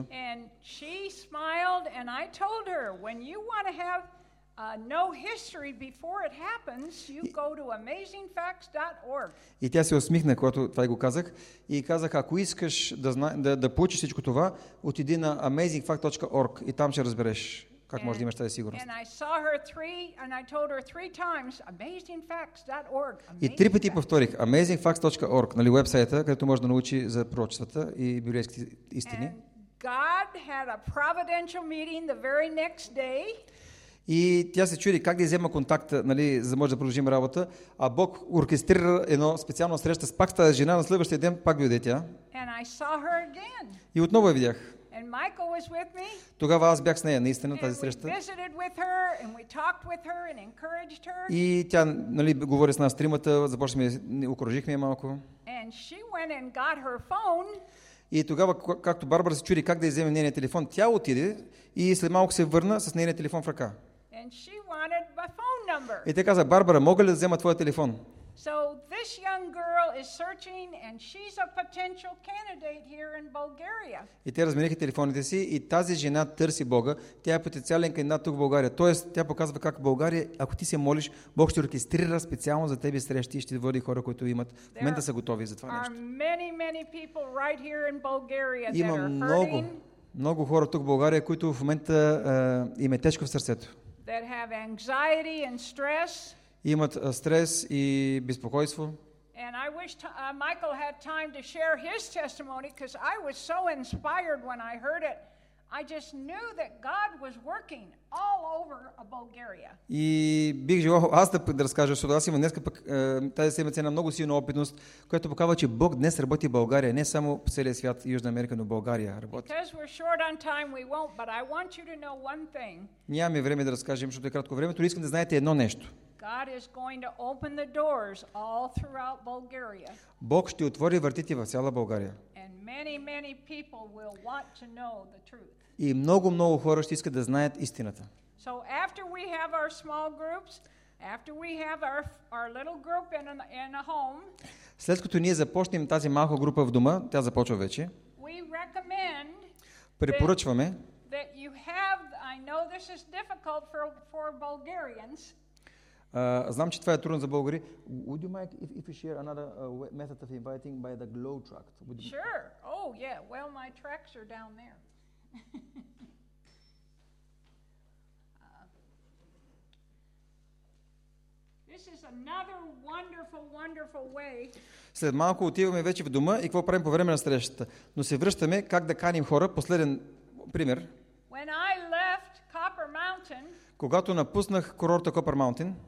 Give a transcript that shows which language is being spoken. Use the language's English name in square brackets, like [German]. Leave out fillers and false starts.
[English] And she smiled and I told her, when you want to have no history before it happens, you go to amazingfacts.org. [Bulgarian] И тя се усмихна, когато това го казах, и казах, ако искаш да получиш всичко това, отиди на amazingfact.org и там ще разбереш как можеш да имаш тази сигурност. [English] And I saw her three, and I told her three times, amazingfacts.org. [Bulgarian] И три пъти повторих, amazingfacts.org, нали, уебсайта, където може да научи за пророчествата и библейските истини. [English] And God had a providential meeting the very next day. [Bulgarian] И тя се чуди как да взема контакта, нали, за може да продължим работа, а Бог оркестрира едно специално среща с пак тази жена на следващия ден, пак дойде тя. [English] And I saw her again. [Bulgarian] И отново я видях. [English] And Michael was with me. [Bulgarian] Тогава аз бях с нея, наистина, тази среща. [English] Visited with her and we talked with her and encouraged her. [Bulgarian] И тя, нали, говори с нас тримата, започнахме, окоръжихме я малко. [English] And she went and got her phone. [Bulgarian] И тогава, както Барбара се чуди как да вземе нейния телефон, тя отиде и след малко се върна с нейния телефон в ръка. [English] And she wanted my phone number. [Bulgarian] И тя каза, Барбара, мога ли да взема твоя телефон? [English] So this young girl is searching and she's a potential candidate here in Bulgaria. [Bulgarian] И те размениха телефоните си и тази жена търси Бога. Тя е потенциален кандидат тук в България. Тоест, тя показва как България, ако ти се молиш, Бог ще оркестрира специално за тебе срещи и ще води хора, които имат в момента са готови за това нещо. [English] Many, many people right here in Bulgaria that [Bulgarian] има [English] are hurting, [Bulgarian] много хора тук в България, които в момента им е тежко в сърцето. [English] That have anxiety and stress. [Bulgarian] Имат стрес и безпокойство. [English] And I wish Michael had time to share his testimony because I was so inspired when I heard it. I just knew that God was working all over Bulgaria. [Bulgarian] И бих желал аз да разкажа, защото аз имам днеска пък тази седмица една много силна опитност, която показва, че Бог днес работи в България, не само по целия свят, Южна Америка, но България работи. [English] Because we're short on time, we won't, but I want you to know one thing. [Bulgarian] Нямаме време да разкажем, защото е кратко времето, но искам да знаете едно нещо. [English] God is going to open the doors all throughout Bulgaria. [Bulgarian] Бог ще отвори вратите в цяла България. [English] And many, many people will want to know the truth. [Bulgarian] И много хора ще искат да знаят истината. [English] So after we have our small groups, after we have our little group in a home, [Bulgarian] след като ние започнем тази малка група в дома, тя започва вече. [English] We recommend. [Bulgarian] Препоръчваме. [English] That you have, I know this is difficult for Bulgarians. [Bulgarian] Знам, че това е трудно за българи. [English] Would you mind if you share another method of inviting by the glow tract? Sure. Oh, yeah. Well, my tracks are down there. This is another wonderful, wonderful way. [Bulgarian] След малко отиваме вече в дома и какво правим по време на срещата? Но се връщаме как да каним хора. Последен пример. [English] When I left Copper Mountain, [Bulgarian] когато напуснах курорта Copper Mountain,